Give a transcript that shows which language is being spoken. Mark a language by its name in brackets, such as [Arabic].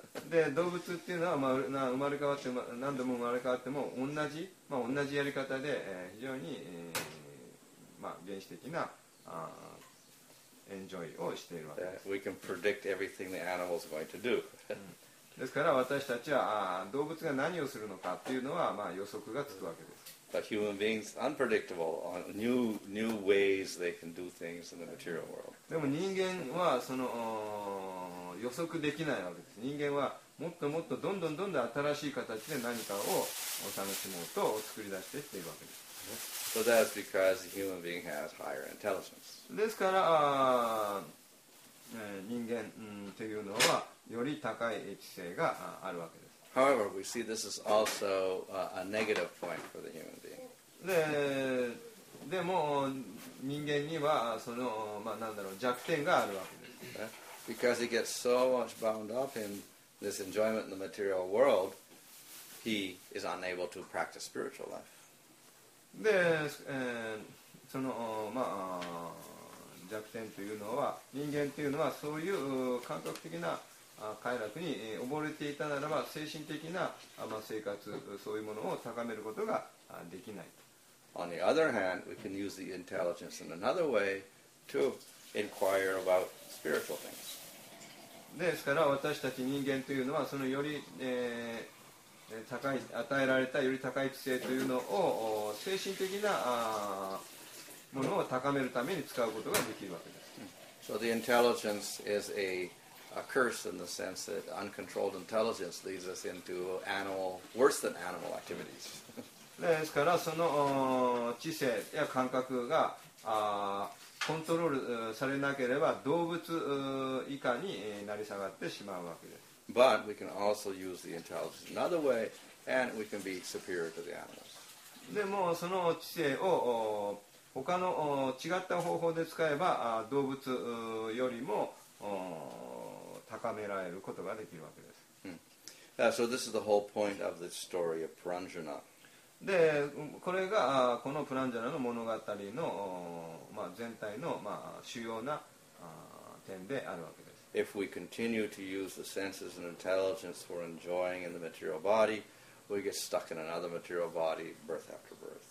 [Japanese] で、動物っていうのは、まあ、生まれ変わって何度も生まれ変わっても同じ、まあ、同じやり方で、非常に、まあ、原始的なエンジョイをしているわけです。 [English] We can predict everything the animal's going to do. [Japanese] ですから私たちは動物が何をするのかっていうのは、まあ、予測がつくわけです。 [English] But human beings unpredictable on new ways they can do things in the material world. [Japanese] でも人間はその予測できないわけです。人間はもっともっとどんどんどんどん新しい形で何かをお楽しもうと作り出してしているわけです。 [English] So that's because the human being has higher intelligence. [Japanese] ですから、人間というのはより高い知性があるわけです。 [English] However, we see this is also a negative point for the human being. [Japanese] でも人間にはその、まあ、なんだろう、弱点があるわけです。 [English] Because he gets so much bound up in this enjoyment in the material world, he is unable to practice spiritual life. [Japanese] で、その、まあ、弱点というのは、人間というのはそういう感覚的な快楽に溺れていたならば、精神的な、まあ、生活、そういうものを高めることができない。 [English] On the other hand, we can use the intelligence in another way to inquire about spiritual things. [Japanese] ですから私たち人間というのはそのより、高い与えられたより高い知性というのを精神的なものを高めるために使うことができるわけです。 [English] So the intelligence is a curse in the sense that uncontrolled intelligence leads us into animal, worse than animal activities. [Japanese] ですからその知性や感覚がコントロールされなければ動物以下に成り下がってしまうわけです。 [English] But we can also use the intelligence another way, and we can be superior to the animals. [Japanese] でもその知性を他の違った方法で使えば動物よりも高められることができるわけです。 [English] So this is the whole point of the story of Paranjana. [Japanese] で、これがこのプランジャナの物語の、まあ、全体の、まあ、主要な点であるわけです。 [English] If we continue to use the senses and intelligence for enjoying in the material body, we get stuck in another material body, birth after birth.